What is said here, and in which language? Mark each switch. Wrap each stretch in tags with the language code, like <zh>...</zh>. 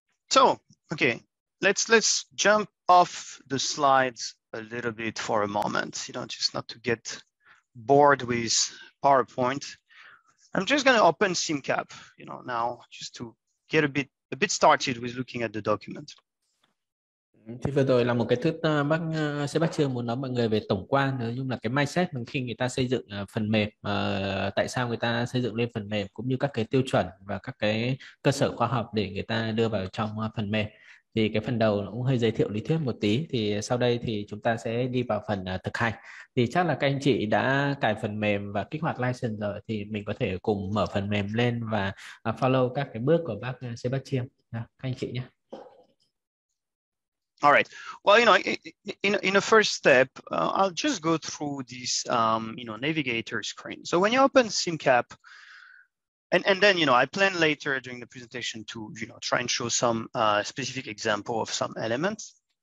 <en>So, okay, let's jump off the slides a little bit for a moment, you know, just not to get bored with PowerPoint. I'm just going to open CYMCAP, you know, now just to get a bit started with looking at the document.</en> <vi>Thì vừa rồi là một cái thước bác Sebastian muốn nói mọi người về tổng quan, nói chung là cái mindset mình khi người ta xây dựng phần mềm, tại sao người ta xây dựng lên phần mềm cũng như các cái tiêu chuẩn và các cái cơ sở khoa học để người ta đưa vào trong phần mềm. Thì cái phần đầu cũng hơi giới thiệu lý thuyết một tí, thì sau đây thì chúng ta sẽ đi vào phần thực hành. Thì chắc là các anh chị đã cài phần mềm và kích hoạt license rồi, thì mình có thể cùng mở phần mềm lên và follow các cái bước của bác Sebastian, các anh chị nhé.</vi> <en>All right. Well, you know, in a first step, I'll just go through this, you know, navigator screen. So when you open CYMCAP, and then, you know, I plan later during the presentation to, you know, try and show some specific example of some elements.</en>